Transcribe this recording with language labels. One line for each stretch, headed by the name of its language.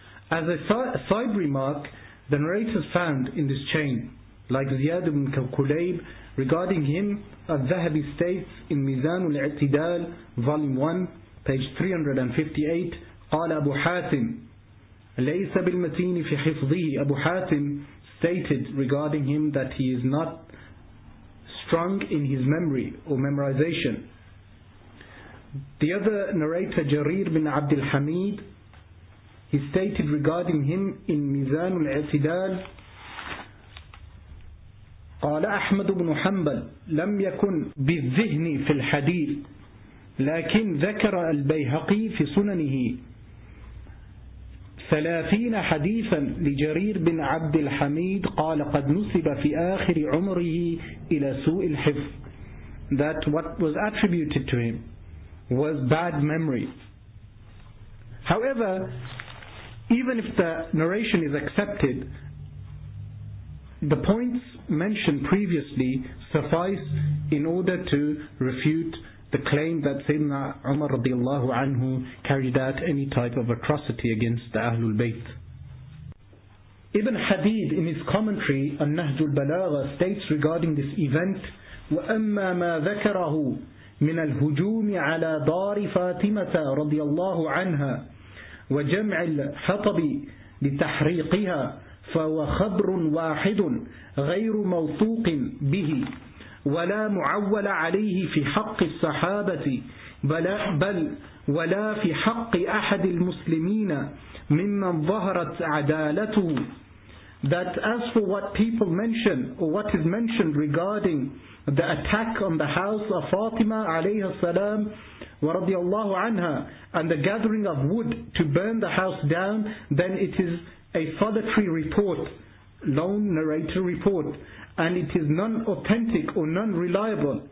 English: As a side remark, the narrators found in this chain, like Ziyad ibn Kulayb, regarding him, al-Dhahabi states in Mizanul I'tidal, volume 1, page 358,
Arabic: قال أبو حاتم ليس بالمتين في حفظه.
English: Abu Hatim stated regarding him that he is not strong in his memory or memorization. The other narrator, Jarir bin Abdul Hamid, he stated regarding him in Mizan al-Itidal,
Arabic: قال أحمد بن حنبل لم يكن بالذهن في الحديث لكن ذكر البيهقي في سننه 30 حديثا لجرير بن عبد الحميد قال قد نسب في آخر عمره إلى سوء الحفظ.
English: That what was attributed to him was bad memory. However, even if the narration is accepted, the points mentioned previously suffice in order to refute the claim that Sayyidina Umar radiallahu anhu carried out any type of atrocity against the Ahlul Bayt. Ibn Hadid in his commentary on Nahjul Balagha states regarding this event,
Arabic: وَأَمَّا مَا ذَكَرَهُ مِنَ الْهُجُومِ عَلَى دَارِ فَاتِمَةَ رَضِيَ اللَّهُ عَنْهَا وَجَمْعِ الْحَطَبِ لِتَحْرِيقِهَا فَهُوَ خَبْرٌ وَاحِدٌ غَيْرُ مَوْثُوقٍ بِهِ وَلَا مُعَوَّلَ عَلَيْهِ فِي حَقِّ الصَّحَابَةِ بَلْ وَلَا فِي حَقِّ أَحَدِ الْمُسْلِمِينَ مِمَّنْ ظَهَرَتْ عَدَالَتُهُ.
English: That as for what people mention, or what is mentioned regarding the attack on the house of Fatima alayha salam wa radiyallahu anha and the gathering of wood to burn the house down, then it is a solitary report, lone narrator report, and it is non-authentic or non-reliable.